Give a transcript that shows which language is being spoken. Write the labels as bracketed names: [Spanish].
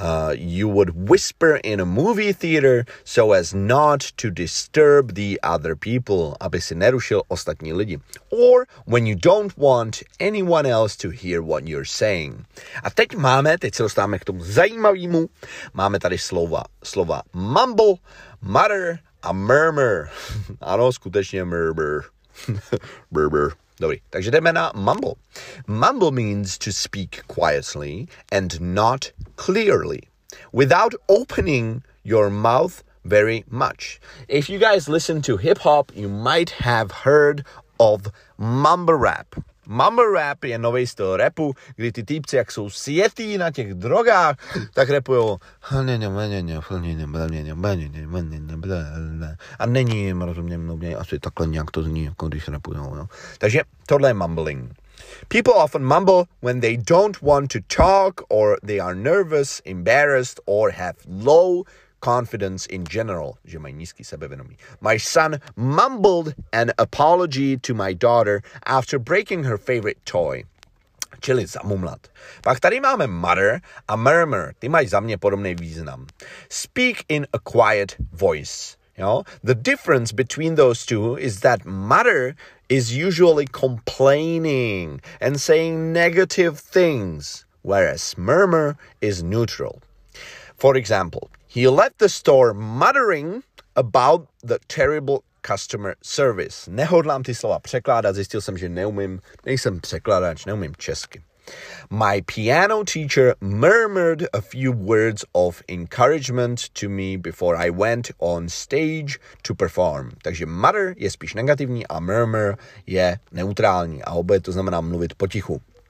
[English] You would whisper in a movie theater so as not to disturb the other people, [Czech] aby si nerušil ostatní lidi. [English] Or when you don't want anyone else to hear what you're saying. [Czech] A teď máme, teď se dostáváme k tomu zajímavému, máme tady slova mumble, mutter a murmur. Ano, skutečně murmur. Murmur. Dobrý, takže jdeme na mumble. [English] Mumble means to speak quietly and not clearly, without opening your mouth very much. If you guys listen to hip-hop, you might have heard of mumble rap. [Czech] Mumble rap je nový styl rapu, kdy ty týpci, jak jsou sjetý na těch drogách, tak rapujou. A není jim rozumně, mluvně, asi takhle nějak to zní, jako když rapujou. No. Takže tohle je mumbling. [English] People often mumble when they don't want to talk or they are nervous, embarrassed or have low confidence in general, [Czech] že mají nízký sebevědomí. [English] My son mumbled an apology to my daughter after breaking her favorite toy. [Czech] Čili zamumlat. Pak tady máme mutter a murmur. Ty mají za mě podobný význam. [English] Speak in a quiet voice. You know? The difference between those two is that mutter is usually complaining and saying negative things, whereas murmur is neutral. For example, he left the store muttering about the terrible customer service. [Czech] Nehodlám ty slova překládat, zjistil jsem, že neumím, nejsem překladač, neumím česky. [English] My piano teacher murmured a few words of encouragement to me before I went on stage to perform. [Czech] Takže mutter je spíš negativní a murmur je neutrální a oboje to znamená mluvit potichu.